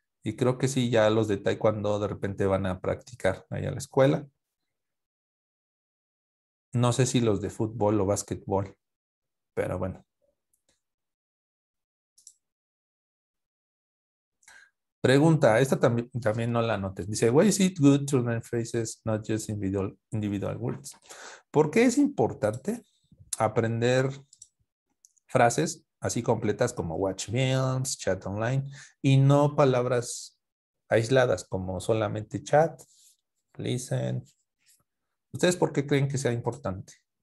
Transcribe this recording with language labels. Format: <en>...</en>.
<es>Y creo que sí, ya los de taekwondo de repente van a practicar ahí a la escuela. No sé si los de fútbol o básquetbol, pero bueno. Pregunta, esta también no la anoten. Dice,</es> <en>why is it good to learn phrases, not just individual words?</en> <es>¿Por qué es importante aprender frases así completas como</es> <en>watch films, chat online,</en> <es>y no palabras aisladas como solamente chat, listen, ¿Ustedes por qué creen que sea importante?</es>